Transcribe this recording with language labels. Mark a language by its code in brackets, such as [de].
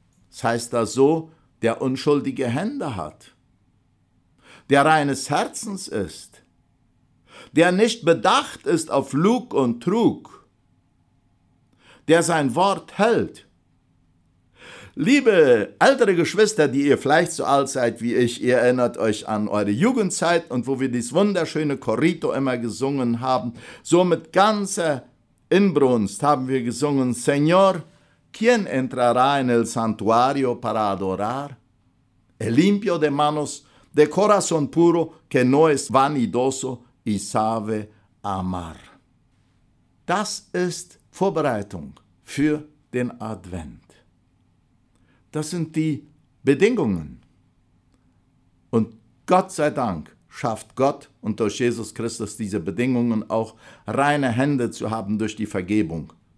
[de] Das heißt da so, der unschuldige Hände hat, der reines Herzens ist, der nicht bedacht ist auf Lug und Trug, der sein Wort hält. Liebe ältere Geschwister, die ihr vielleicht so alt seid wie ich, ihr erinnert euch an eure Jugendzeit und wo wir dieses wunderschöne Corito immer gesungen haben. So mit ganzer Inbrunst haben wir gesungen, [es] Señor, ¿quién entrará en el santuario para adorar? El limpio de manos, de corazón puro, que no es vanidoso y sabe amar. [de] Das ist Vorbereitung für den Advent. Das sind die Bedingungen. Und Gott sei Dank schafft Gott und durch Jesus Christus diese Bedingungen auch, reine Hände zu haben durch die Vergebung.